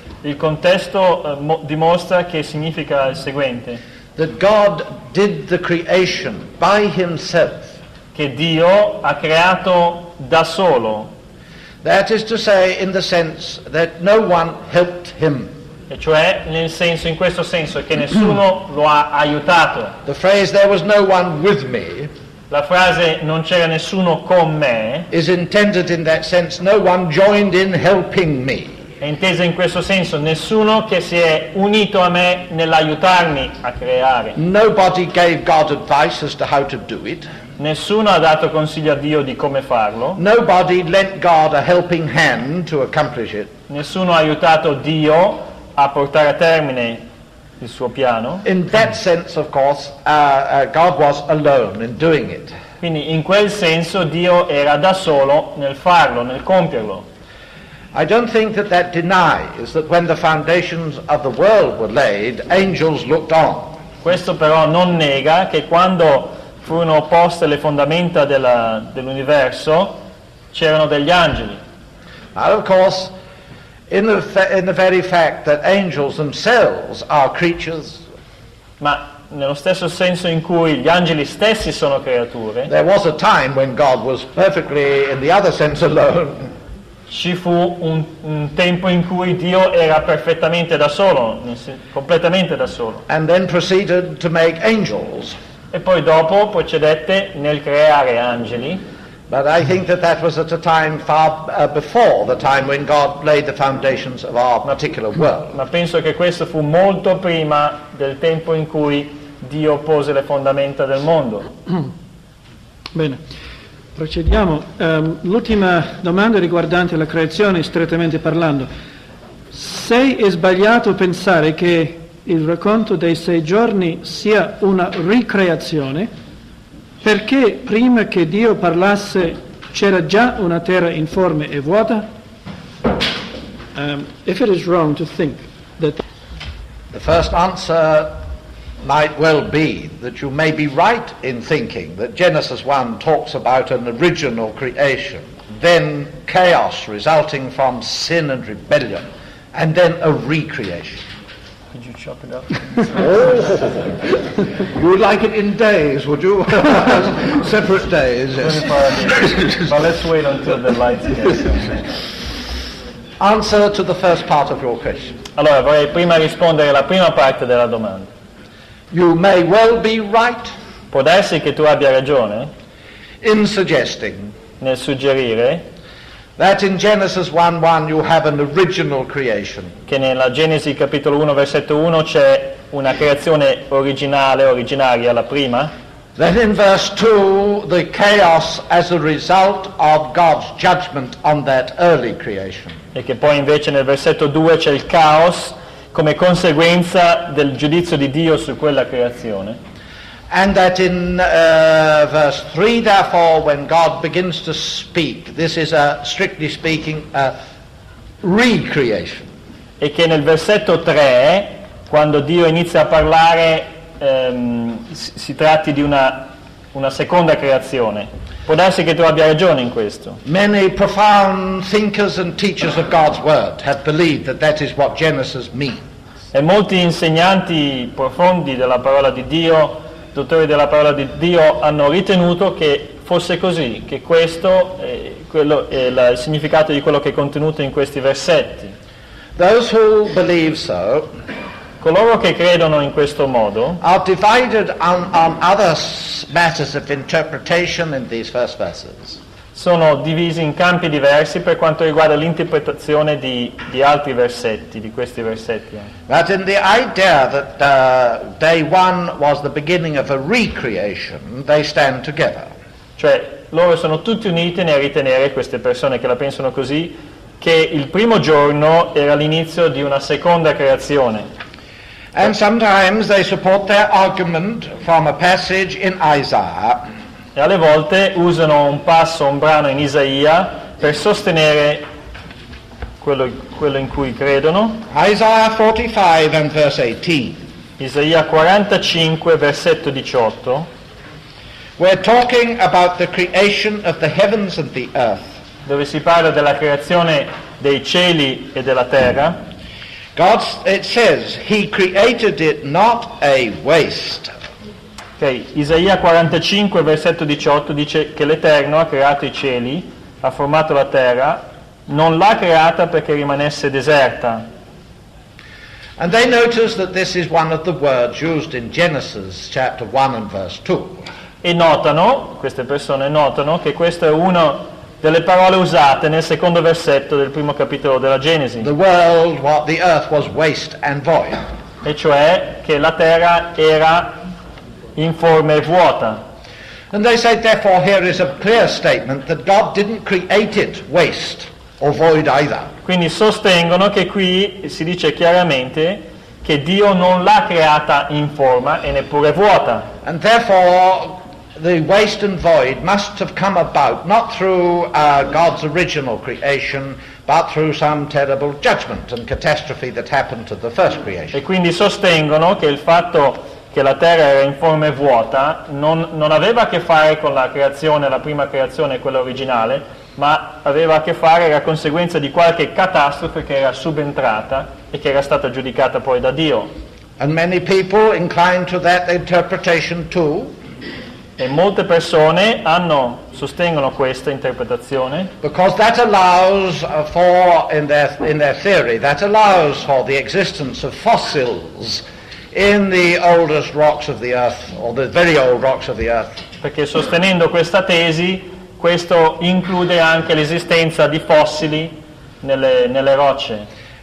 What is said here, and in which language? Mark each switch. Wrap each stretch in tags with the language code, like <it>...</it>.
<it>Il contesto dimostra che significa il seguente.</it> <en>That God did the creation by himself.</en> <it>Che Dio ha creato da solo.</it> <en>That is to say, in the sense that no one helped him.</en> <it>E cioè, nel senso, in questo senso, che nessuno lo ha aiutato.</it> <en>The phrase, there was no one with me.</en> <it>La frase, non c'era nessuno con me.</it> <en>Is intended in that sense, no one joined in helping me.</en> <it>È intesa in questo senso, nessuno che si è unito a me nell'aiutarmi a creare.</it> <en>Nobody gave God advice as to how to do it.</en> <it>Nessuno ha dato consiglio a Dio di come farlo.</it> <en>Nobody lent God a helping hand to accomplish it.</en> <it>Nessuno ha aiutato Dio a portare a termine il suo piano.</it> <en>In that sense, of course, God was alone in doing it.</en> <it>Quindi in quel senso Dio era da solo nel farlo, nel compierlo.</it> <en>I don't think that that denies that when the foundations of the world were laid, angels looked on.</en> <it>Questo però non nega che quando furono poste le fondamenta dell'universo c'erano degli angeli.</it> <en>But of course, in the very fact that angels themselves are creatures.</en> <it>Ma nello stesso senso in cui gli angeli stessi sono creature.</it> <en>There was a time when God was perfectly, in the other sense, alone.</en> <it>Ci fu un tempo in cui Dio era perfettamente da solo, completamente da solo.</it> <en>And then proceeded to make angels.</en> <it>E poi dopo procedette nel creare angeli.</it> <en>But I think that that was at a time far before the time when God laid the foundations of our particular world.</en> <it>Ma penso che questo fu molto prima del tempo in cui Dio pose le fondamenta del mondo. Bene. Procediamo. L'ultima domanda riguardante la creazione, strettamente parlando. Se è sbagliato pensare che il racconto dei sei giorni sia una ricreazione, perché prima che Dio parlasse c'era già una terra informe e vuota?</it> <en>If it is wrong to think that the first answer might well be that you may be right in thinking that Genesis 1 talks about an original creation, then chaos resulting from sin and rebellion, and then a recreation. Could you chop it up? You would like it in days, would you? Separate days, yes. Well, let's wait until the lights get on. Answer to the first part of your question.</en> <it>Allora, vorrei prima rispondere alla prima parte della domanda.</it> <en>You may well be right.</en> <it>Può darsi che tu abbia ragione.</it> <en>In suggesting.</en> <it>Nel suggerire.</it> <en>That in Genesis 1:1 you have an original creation.</en> <it>Che nella Genesi capitolo 1 versetto 1 c'è una creazione originale, originaria, la prima.</it> <en>That in verse 2 the chaos as a result of God's judgment on that early creation.</en> <it>E che poi invece nel versetto 2 c'è il caos come conseguenza del giudizio di Dio su quella creazione.</it> <en>And that in verse 3 therefore when God begins to speak this is a strictly speaking a recreation.</en> <it>E che nel versetto 3 quando Dio inizia a parlare si tratti di una seconda creazione. Può darsi che tu abbia ragione in questo.</it> <en>Many profound thinkers and teachers of God's word have believed that that is what Genesis means.</en> <it>E molti insegnanti profondi della parola di Dio, dottori della parola di Dio, hanno ritenuto che fosse così, che questo è quello è il significato di quello che è contenuto in questi versetti.</it> <en>Those who believe so,</en> <it>Coloro che credono in questo modo</it> <en>are divided on other matters of interpretation in these first verses.</en> <it>Sono divisi in campi diversi per quanto riguarda l'interpretazione di altri versetti, di questi versetti.</it> <en>But in the idea that day one was the beginning of a recreation, they stand together.</en> <it>Cioè, loro sono tutti uniti nel ritenere, queste persone che la pensano così, che il primo giorno era l'inizio di una seconda creazione.</it> <en>And sometimes they support their argument from a passage in Isaiah.</en> <it>E alle volte usano un passo, un brano in Isaia per sostenere quello in cui credono.</it> <en>Isaiah 45 and verse 18.</en> <it>Isaia 45, versetto 18.</it> <en>We're talking about the creation of the heavens and the earth.</en> <it>Dove si parla della creazione dei cieli e della terra.</it> <en>God, it says, he created it not a waste.</en> <it>Ok, Isaia 45, versetto 18 dice che l'Eterno ha creato i cieli, ha formato la terra, non l'ha creata perché rimanesse deserta.</it> <en>And they notice that this is one of the words used in Genesis chapter 1 and verse 2.</en> <it>E notano, queste persone notano, che questa è una delle parole usate nel secondo versetto del primo capitolo della Genesi.</it> <en>The world, what the earth was waste and void.</en> <it>E cioè che la terra era in forma vuota.</it> <en>And they say therefore here is a clear statement that God didn't create it waste or void either.</en> <it>Quindi sostengono che qui si dice chiaramente che Dio non l'ha creata in forma e neppure vuota.</it> <en>And therefore the waste and void must have come about not through God's original creation but through some terrible judgment and catastrophe that happened to the first creation.</en> <it>E quindi sostengono che il fatto che la terra era in forma e vuota non aveva a che fare con la creazione, la prima creazione, quella originale, ma aveva a che fare, era conseguenza di qualche catastrofe che era subentrata e che era stata giudicata poi da Dio.</it> <en>And many people inclined to that interpretation too.</en> <it>E molte persone sostengono questa interpretazione.</it> <en>Because that allows for in their theory, that allows for the existence of fossils in the oldest rocks of the earth, or the very old rocks of the earth.</en> <it>Perché sostenendo questa tesi, questo include anche l'esistenza di fossili nelle rocce.</it>